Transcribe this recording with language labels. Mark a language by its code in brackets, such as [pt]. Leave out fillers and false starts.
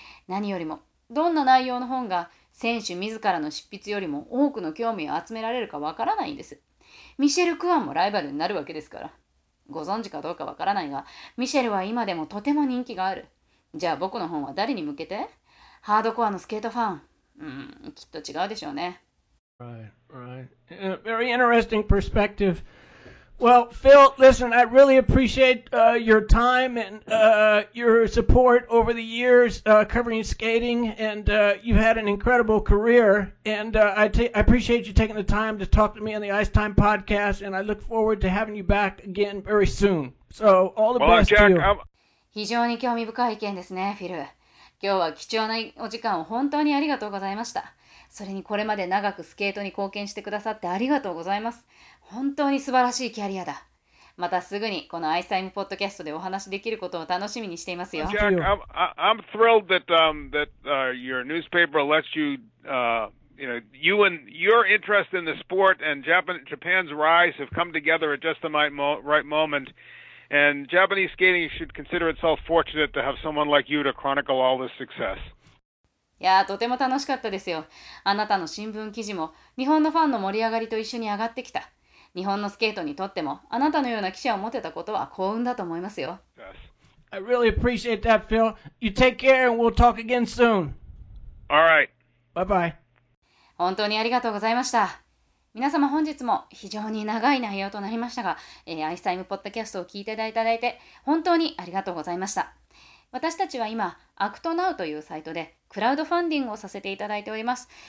[ja] 何よりも、どんな内容の本が選手自らの執筆よりも多くの興味を集められるかわからないんです。ミシェル・クワンもライバルになるわけですから。ご存知かどうかわからないが、ミシェルは今でもとても人気がある。じゃあ僕の本は誰に向けて？ハードコアのスケートファン。きっと違うでしょうね。 [en] Very interesting perspective. Well, Phil, listen, I really appreciate your time and your support over the years covering skating, and you've had an incredible career, and I appreciate you taking the time to talk to me on the Ice Time podcast, and I look forward to having you back again very soon. So, all the best Jack, to you. [ja] 非常に興味深い意見ですね、フィル。今日は貴重なお時間を本当にありがとうございました。それにこれまで長くスケートに貢献してくださってありがとうございます。本当に素晴らしいキャリアだ。またすぐにこのアイスタイムポッドキャストでお話しできることを楽しみにしていますよ。 [en] Jack, I'm thrilled that, your newspaper lets you, you know, you and your interest in the sport and Japan's rise have come together at just the right moment. And Japanese skating should consider itself fortunate to have someone like you to chronicle all this success. [ja] いやー、とても楽しかったですよ。あなたの新聞記事も日本のファンの盛り上がりと一緒に上がってきた。日本のスケートにとってもあなたのような記者を持てたことは幸運だと思いますよ。 [en] I really appreciate that, Phil. You take care and we'll talk again soon. All right. Bye bye. [ja] 本当にありがとうございました。皆様、本日も非常に長い内容となりましたが、アイスタイムポッドキャストを聞いていただいて本当にありがとうございました。私たちは今、ActNow というサイトでクラウドファンディングをさせていただいております。